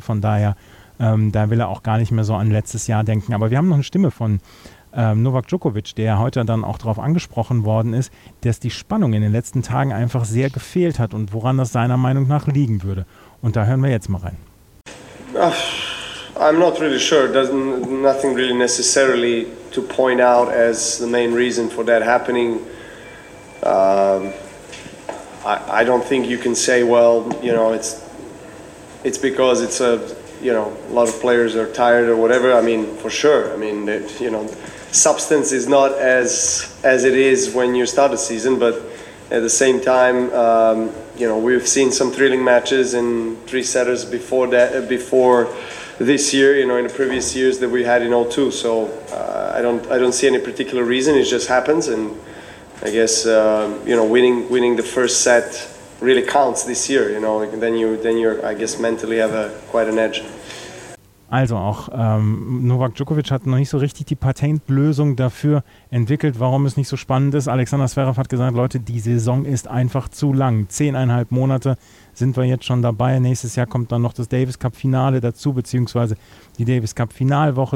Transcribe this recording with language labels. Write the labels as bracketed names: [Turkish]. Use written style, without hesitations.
[German] Von daher, da will er auch gar nicht mehr so an letztes Jahr denken. Aber wir haben noch eine Stimme von Novak Djokovic, der heute dann auch darauf angesprochen worden ist, dass die Spannung in den letzten Tagen einfach sehr gefehlt hat und woran das seiner Meinung nach liegen würde. Und da hören wir jetzt mal rein. [English] I'm not really sure. Nothing really necessarily to point out as the main reason for that happening. I don't think you can say, well, you know, it's because it's a, you know, a lot of players are tired or whatever. I mean, for sure. I mean, you know, substance is not as it is when you start a season, but at the same time, you know, we've seen some thrilling matches in three setters before this year, you know, in the previous years that we had in 0-2. So I don't see any particular reason. It just happens. And I guess, you know, winning the first set really counts this year. You know, then you're, I guess, mentally have quite an edge. [German] Also auch Novak Djokovic hat noch nicht so richtig die Patentlösung dafür entwickelt, warum es nicht so spannend ist. Alexander Zverev hat gesagt, Leute, die Saison ist einfach zu lang. 10,5 Monate sind wir jetzt schon dabei. Nächstes Jahr kommt dann noch das Davis Cup Finale dazu, beziehungsweise die Davis Cup Finalwoche.